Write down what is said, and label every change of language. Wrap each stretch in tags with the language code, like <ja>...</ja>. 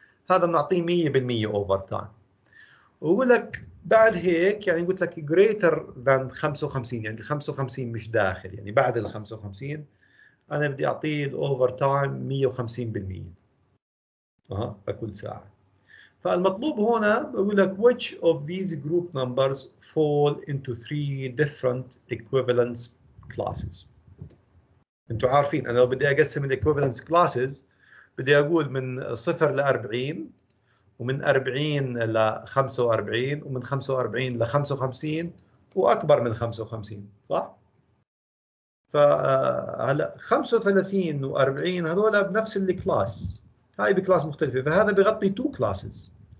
<ar>هذا بنعطيه 100% اوفر تايم. ويقول لك بعد هيك يعني قلت لك</ar> <en>greater than 55،</en> <ar>يعني 55 مش داخل، يعني بعد ال 55 انا بدي اعطيه الاوفر تايم 150% لكل ساعة. فالمطلوب هنا بقول لك</ar> <en>which of these group numbers fall into three different equivalence classes.</en> <ar>انتوا عارفين انا لو بدي اقسم الاكويفالنس كلاسز بدي اقول من 0 ل 40 ومن 40 ل 45 ومن 45 ل 55 واكبر من 55، صح؟ فهلا 35 و40 هذول بنفس الكلاس، هاي بكلاس مختلفه، فهذا بغطي تو كلاسز.</ar>